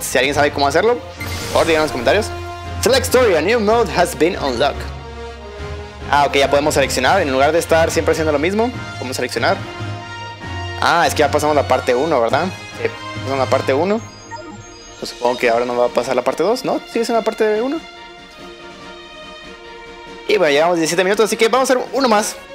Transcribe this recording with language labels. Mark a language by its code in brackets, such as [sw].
[es] Si alguien sabe cómo hacerlo, por favor, díganlo en los comentarios. [en] Select story, a new mode has been unlocked. [es] Ah, ok, ya podemos seleccionar. En lugar de estar siempre haciendo lo mismo, podemos seleccionar. Ah, es que ya pasamos la parte 1, ¿verdad? Sí, pasamos la parte 1. Pues supongo que ahora no va a pasar la parte 2, ¿no? Sigue siendo la parte 1. Y bueno, llevamos 17 minutos, así que vamos a hacer uno más.